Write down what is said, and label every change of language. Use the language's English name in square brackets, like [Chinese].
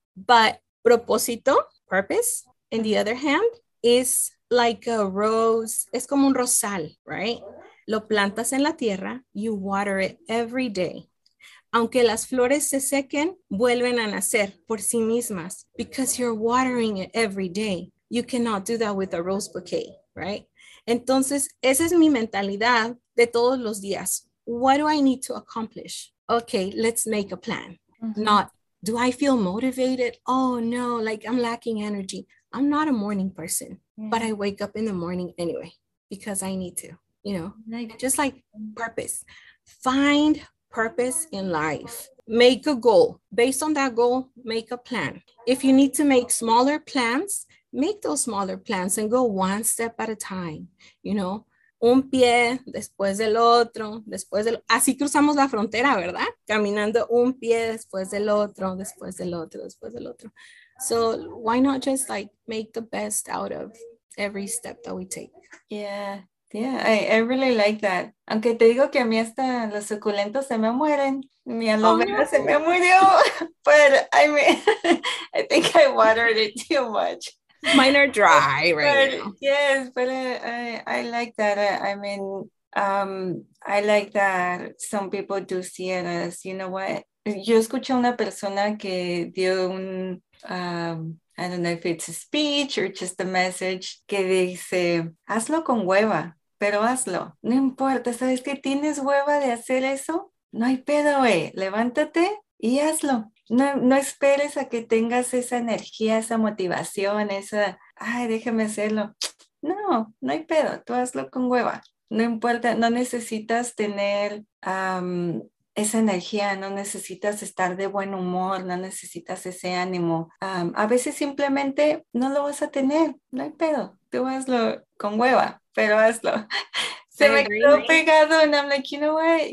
[English] But propósito, purpose, on the other hand, is like a rose, [Spanish] es como un rosal, [English] right? [Spanish] Lo plantas en la tierra, [English] you water it every day. [Spanish] Aunque las flores se sequen, vuelven a nacer por sí mismas [English] because you're watering it every day. You cannot do that with a rose bouquet, right? [Spanish] Entonces, esa es mi mentalidad de todos los días. [English] What do I need to accomplish? Okay, let's make a plan. Mm-hmm. Not, do I feel motivated? Oh no, like I'm lacking energy. I'm not a morning person, but I wake up in the morning anyway because I need to, you know, just like purpose. Find purpose in life. Make a goal. Based on that goal, make a plan. If you need to make smaller plans, make those smaller plans and go one step at a time. You know, [Spanish] un pie después del otro, después del otro. Así cruzamos la frontera, ¿verdad? Caminando un pie después del otro, después del otro, después del otro. [English] So why not just like make the best out of every step that we take? Yeah, I really like that. [Spanish] Aunque te digo que a mí hasta los suculentos se me mueren. Mi aloe vera se me murió. [English] But I mean, I think I watered it too much. Mine are dry right now. Yes, but I like that. I mean, I like that some people do see it as, you know what? [Spanish] Yo escuché una persona que dio un, [English] I don't know if it's a speech or just a message, [Spanish] que dice, hazlo con hueva, pero hazlo. No importa, ¿sabes que tienes hueva de hacer eso? No hay pedo, güey. Levántate y hazlo. No esperes a que tengas esa energía, esa motivación, esa, ay, déjame hacerlo. No hay pedo, tú hazlo con hueva. No importa, no necesitas tener esa energía, no necesitas estar de buen humor, no necesitas ese ánimo. A veces simplemente no lo vas a tener, no hay pedo. Tú hazlo con hueva, pero hazlo. Se me quedó pegado, [English] and I'm like, you know what?